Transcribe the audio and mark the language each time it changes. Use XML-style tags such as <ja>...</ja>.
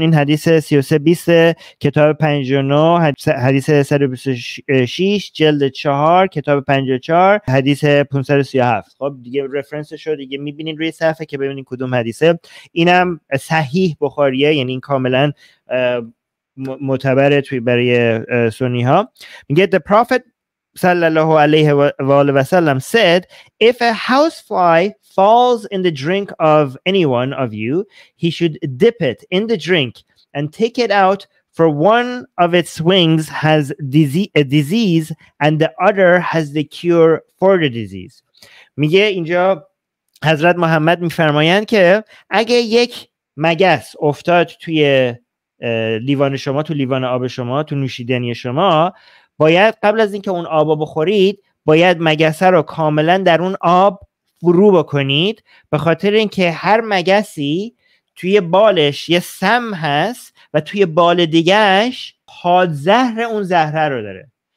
<fa>این حدیث 3320 کتاب 59، حدیث 126 جلد 4 کتاب 54، حدیث 537. خب دیگه رفرنسشو دیگه میبینین روی صفحه که ببینین کدوم حدیثه. اینم صحیح بخاریه، یعنی این کاملا معتبر توی برای سنی ها.</fa> <en>میگه the prophet sallallahu alayhi wa alihi wa sallam said, if a housefly falls in the drink of any one of you, he should dip it in the drink and take it out, for one of its wings has a disease and the other has the cure for the disease.</en> <fa>میگه اینجا حضرت محمد میفرمایند که اگه یک مگس افتاد توی لیوان شما، تو لیوان آب شما، تو نوشیدنی شما، باید قبل از اینکه اون آب رو بخورید باید مگسه رو کاملا در اون آب فرو بکنید، به خاطر اینکه هر مگسی توی بالش یه سم هست و توی بال دیگهش حاد زهر اون زهره رو داره.</fa>